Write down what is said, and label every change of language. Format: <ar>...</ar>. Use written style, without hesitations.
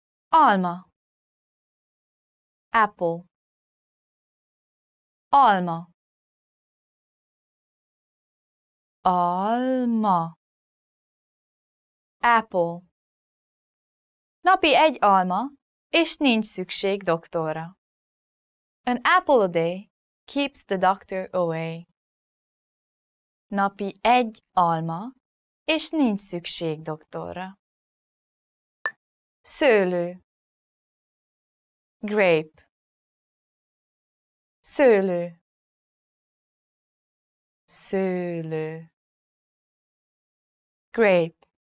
<hu>Alma. Apple. Alma. Alma. Apple. Napi egy alma, és nincs szükség doktorra.</hu> <en>An apple a day keeps the doctor away.</en> <hu>Napi egy alma, és nincs szükség doktorra. Szőlő. Grape. Szőlő. Szőlő. Grape.</hu>